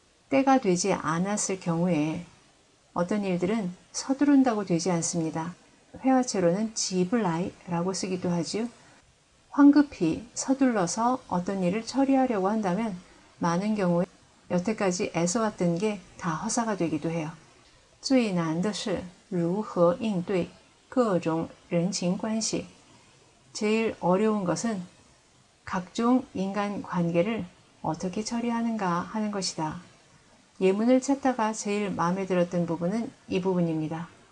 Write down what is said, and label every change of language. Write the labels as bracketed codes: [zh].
[ko] 때가 되지 않았을 경우에 어떤 일들은 서두른다고 되지 않습니다. 회화체로는 지불아이라고 쓰기도 하지요. 황급히 서둘러서 어떤 일을 처리하려고 한다면 많은 경우에 여태까지 애써왔던 게다 허사가 되기도 해요. [zh] 最难的是如何应对各种人情关系。 [ko] 제일 어려운 것은 각종 인간관계를 어떻게 처리하는가 하는 것이다. 예문을 찾다가 제일 마음에 들었던 부분은 이 부분입니다.